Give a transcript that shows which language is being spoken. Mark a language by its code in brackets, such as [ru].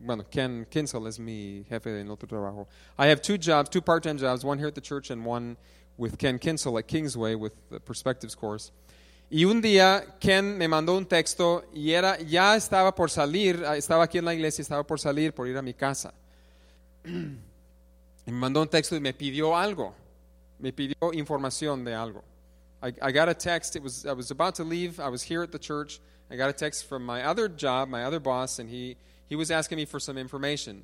[es] Ken Kinsel is mi jefe en otro trabajo. [en] I have two jobs, two part-time jobs, one here at the church and one with Ken Kinsel at Kingsway with the Perspectives course. [es] Y un día, Ken me mandó un texto y era, ya estaba por salir, estaba aquí en la iglesia, estaba por salir, por ir a mi casa. Y me mandó un texto y me pidió algo. Me pidió información de algo. [en] I got a text. I was about to leave. I was here at the church. I got a text from my other job, my other boss, and he was asking me for some information.